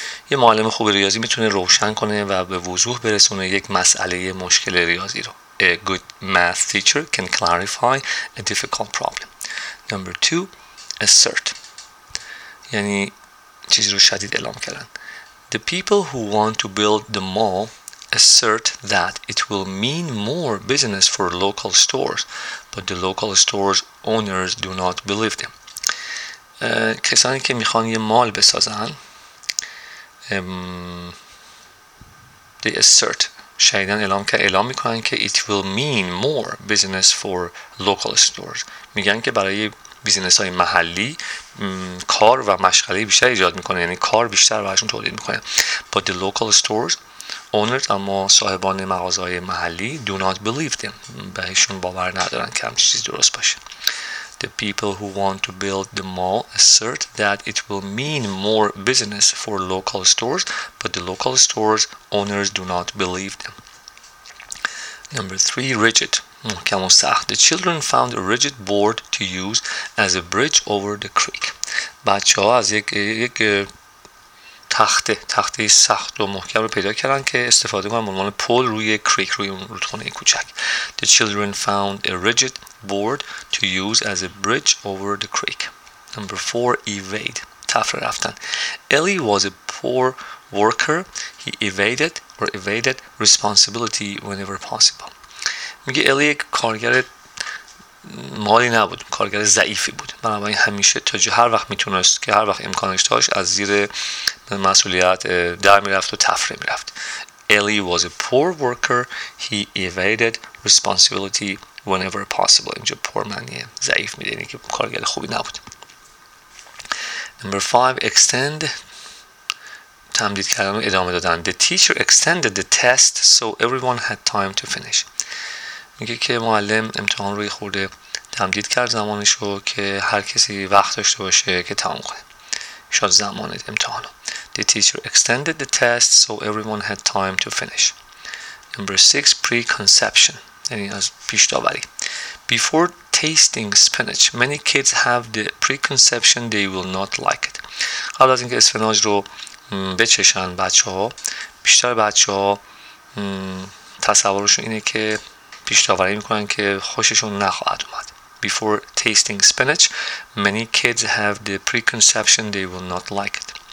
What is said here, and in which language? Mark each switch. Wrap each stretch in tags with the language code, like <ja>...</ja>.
<fa>یه معلم خوب ریاضی میتونه روشن کنه و به وضوح برسونه یک مسئله مشکل ریاضی رو.</fa> <en>A good math teacher can clarify a difficult problem. Number two. Assert.</en> <fa>یعنی چیزی رو شدید اعلام کردن.</fa> <en>The people who want to build the mall assert that it will mean more business for local stores, but the local stores owners do not believe them.</en> <fa>کسانی که میخوان یه مال بسازن</fa> <en>they assert</en> <fa>شایدن اعلام میکنن که</fa> <en>it will mean more business for local stores.</en> <fa>میگن که برای بیزینس های محلی کار و مشغله بیشتر ایجاد میکنه، یعنی کار بیشتر براشون تولید میکنه.</fa> <en>But the local stores owners</en> <fa>اما صاحبان مغازه های محلی</fa> <en>do not believe them،</en> <fa>بهشون باور ندارن که همچین چیزی درست باشه.</fa> <en>The people who want to build the mall assert that it will mean more business for local stores, but the local stores owners do not believe them. Number three, rigid.</en> <fa>محکم و سخت.</fa> <en>The children found a rigid board to use as a bridge over the creek.</en> <fa>بچه‌ها از یک تخته سخت و محکم رو پیدا کردن که استفاده کنن به عنوان پل روی کریک، روی اون رودخونه کوچک.</fa> <en>The children found a rigid board to use as a bridge over the creek. Number 4. Evade.</en> <fa>تفره رفتن.</fa> <en>Ellie was a poor worker. He evaded responsibility whenever possible.</en> <fa>میگه ایلی یک کارگر مالی نبود، کارگر ضعیفی بود، بنابراین همیشه تا جا هر وقت میتونست که هر وقت امکانش داشت از زیر مسئولیت در میرفت و تفره میرفت.</fa> <en>Ellie was a poor worker. He evaded responsibility whenever possible.</en> <fa>اینجا poor معنی ضعیف میده، یعنی که کارگر خوبی نبود.</fa> <en>Number 5. Extend.</en> <fa>تمدید کردن و ادامه دادن.</fa> <en>The teacher extended the test so everyone had time to finish.</en> <fa>میگه که معلم امتحان روی خورده تمدید کرد زمانش رو که هر کسی وقت داشته باشه که تمام کنه. شد زمان امتحان.</fa> <en>The teacher extended the test so everyone had time to finish. Number 6. Preconception.</en> <fa>یعنی از پیش داوری.</fa> <en>Before tasting spinach, many kids have the preconception they will not like it.</en> <fa>قبل از اینکه اسفناج رو بچشن بچه‌ها، بیشتر بچه‌ها تصورشون اینه که پیش داوری میکنن که خوششون نخواهد اومد.</fa> <en>Before tasting spinach, many kids have the preconception they will not like it.</en>